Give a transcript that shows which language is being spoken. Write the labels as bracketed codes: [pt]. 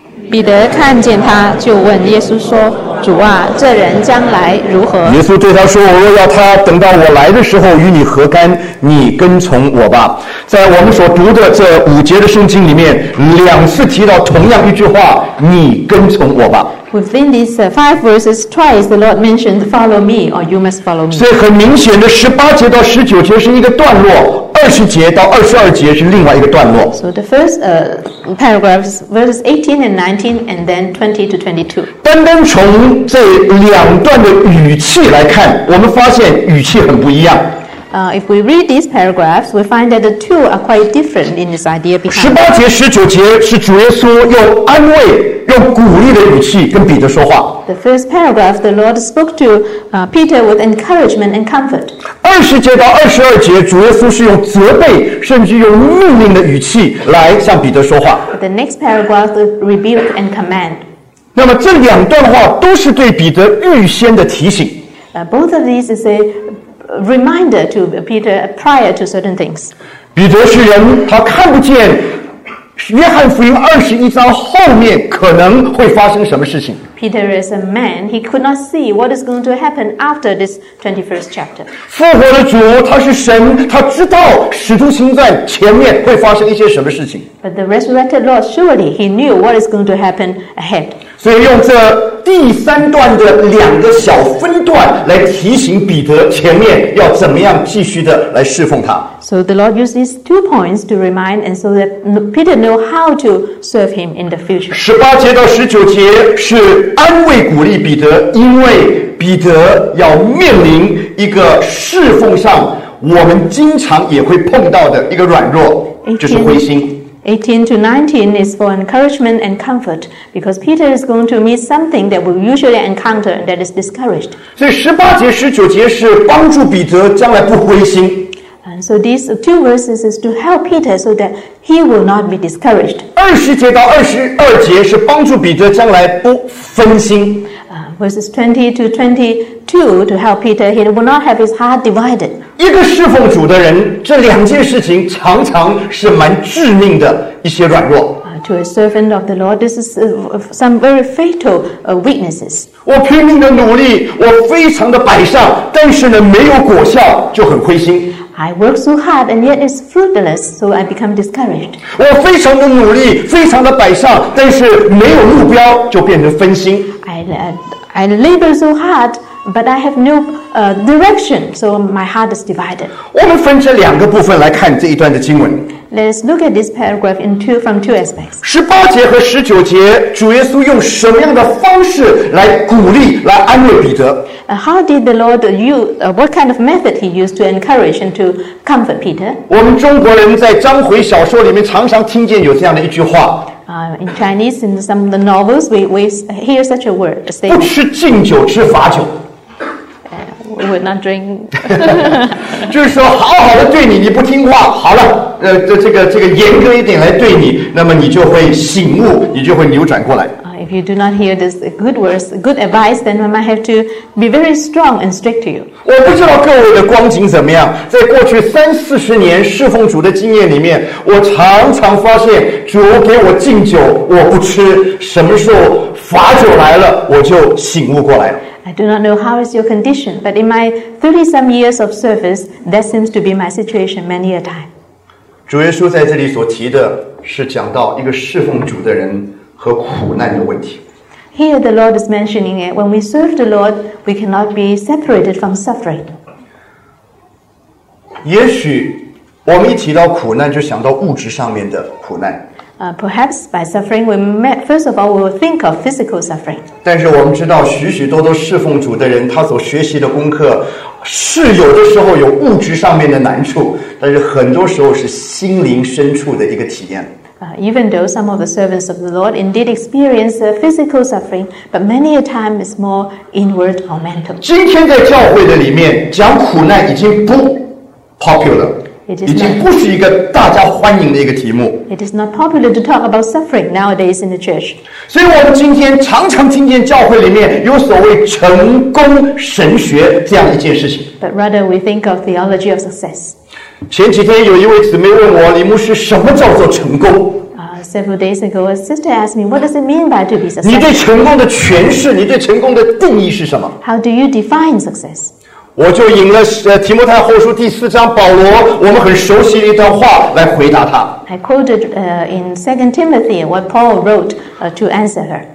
[zh] 彼得看见他，就问耶稣说：“主啊，这人将来如何？” 耶稣对他说：“我若要他等到我来的时候与你何干，你跟从我吧。” 在我们所读的这五节的圣经里面，两次提到同样一句话：“你跟从我吧。” [en] Within these five verses, twice the Lord mentioned, "Follow me, or you must follow me." [zh] 所以很明显的，十八节到十九节是一个段落。 20节到22节是另外一个段落。 [en] So the first paragraphs, verses 18 and 19, and then 20 to 22. [zh] 单单从这两段的语气来看，我们发现语气很不一样。 [en] If we read these paragraphs, we find that the two are quite different in this idea behind. [zh] 十八节、十九节是主耶稣用安慰、用鼓励的语气跟彼得说话。 [en] The first paragraph, the Lord spoke to Peter with encouragement and comfort. [zh] 二十节到二十二节，主耶稣是用责备，甚至用命令的语气来向彼得说话。 [en] The next paragraph is rebuke and command. [zh] 那么这两段话都是对彼得预先的提醒。 [en] Both of these is a reminder to Peter prior to certain things. [zh] 彼得是人，他看不见约翰福音二十一章后面可能会发生什么事情。 [en] Peter is a man. He could not see what is going to happen after this 21st chapter. [zh] 复活的主，他是神，他知道使徒行传前面会发生一些什么事情。 [en] But the resurrected Lord, surely he knew what is going to happen ahead. [zh] 所以用这第三段的两个小分段来提醒彼得前面要怎么样继续的来侍奉他。 [en] So the Lord used these two points to remind, and so that Peter knew how to serve him in the future. [zh] 十八节到十九节是安慰鼓励彼得，因为彼得要面临一个侍奉上我们经常也会碰到的一个软弱，就是灰心。 [en] 18 to 19 is for encouragement and comfort, because Peter is going to meet something that we usually encounter that is discouraged. [zh] 所以十八节十九节是帮助彼得将来不灰心。 [en] And so these two verses is to help Peter so that he will not be discouraged. [zh] 二十节到二十二节是帮助彼得将来不分心。 [en] Verses 20 to 22 to help Peter, he will not have his heart divided. [zh] 一个侍奉主的人，这两件事情常常是蛮致命的一些软弱。 [en] To a servant of the Lord, this is some very fatal weaknesses. [zh] 我拼命的努力，我非常的摆上，但是呢，没有果效，就很灰心。 [en] I work so hard and yet it's fruitless, so I become discouraged. [zh] 我非常的努力，非常的摆上，但是没有目标，就变成分心。 [en] I labor so hard, but I have no direction, so my heart is divided. [zh] 我们分成两个部分来看这一段的经文。 [en] Let's look at this paragraph from two aspects. [zh] 十八节和十九节，主耶稣用什么样的方式来鼓励、来安慰彼得？ [en] How did the Lord use what kind of method he used to encourage and to comfort Peter? [zh] 我们中国人在章回小说里面常常听见有这样的一句话。 [en] In Chinese, in some of the novels, we hear such a word. A statement. [zh] 不吃敬酒，吃罚酒。 [en] Would not drink. [zh] 就是说，好好的对你，你不听话，好了，这个严格一点来对你，那么你就会醒悟，你就会扭转过来。 [en] If you do not hear this good words, good advice, then we might have to be very strong and strict to you. [zh] 我不知道各位的光景怎么样，在过去三四十年侍奉主的经验里面，我常常发现主给我敬酒，我不吃，什么时候罚酒来了，我就醒悟过来了。 [en] I do not know how is your condition, but in my 30-some years of service, that seems to be my situation many a time. [zh] 主耶稣在这里所提的是讲到一个侍奉主的人和苦难的问题。 [en] Here the Lord is mentioning it. When we serve the Lord, we cannot be separated from suffering. [zh] 也许我们一提到苦难，就想到物质上面的苦难。 [en] Perhaps by suffering, first of all, we will think of physical suffering. [zh] 但是我们知道，许许多多侍奉主的人，他所学习的功课是有的时候有物质上面的难处，但是很多时候是心灵深处的一个体验。 [en] Even though some of the servants of the Lord indeed experience physical suffering, but many a time it's more inward or mental. [zh] 今天在教会的里面讲苦难已经不 popular。已经不是一个大家欢迎的一个题目。 [en] It is not popular to talk about suffering nowadays in the church. [zh] 所以我们今天常常听见教会里面有所谓成功神学这样一件事情。 [en] But rather we think of theology of success. [zh] 前几天有一位姊妹问我，李牧师什么叫做成功？ [en] Several days ago, a sister asked me, "What does it mean by to be successful?" [zh] 你对成功的诠释，你对成功的定义是什么？ [en] How do you define success? [zh] 我就引了提摩太后书第四章保罗我们很熟悉的一段话来回答他。 [en] I quoted in 2 Timothy what Paul wrote to answer her.